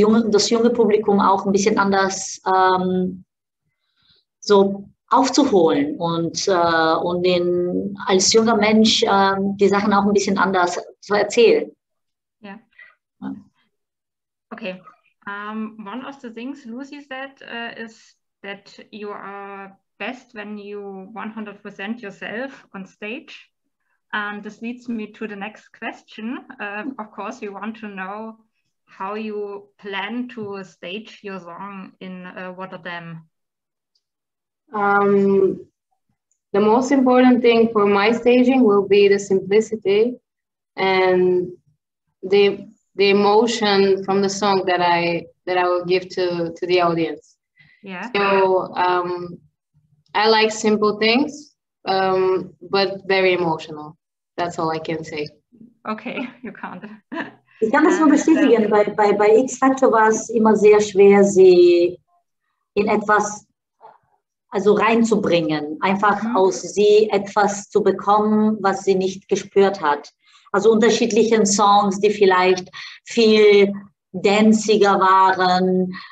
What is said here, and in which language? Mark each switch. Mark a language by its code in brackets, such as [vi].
[de] Das junge Publikum auch ein bisschen anders so aufzuholen und den, als junger Mensch die Sachen auch ein bisschen anders zu erzählen. Ja. Okay. [en] One of the things Lucy said is that you are best when you 100% yourself on stage. And this leads me to the next question. Of course, we want to know how you plan to stage your song in Rotterdam. The most important thing for my staging will be the simplicity and the emotion from the song that I will give to the audience. Yeah. So, I like simple things, but very emotional. That's all I can say. Okay, you can't. [de] Ich kann das nur bestätigen. Bei X-Factor war es immer sehr schwer, sie in etwas also reinzubringen. Einfach aus sie etwas zu bekommen, was sie nicht gespürt hat. Also unterschiedlichen Songs, die vielleicht viel danziger waren.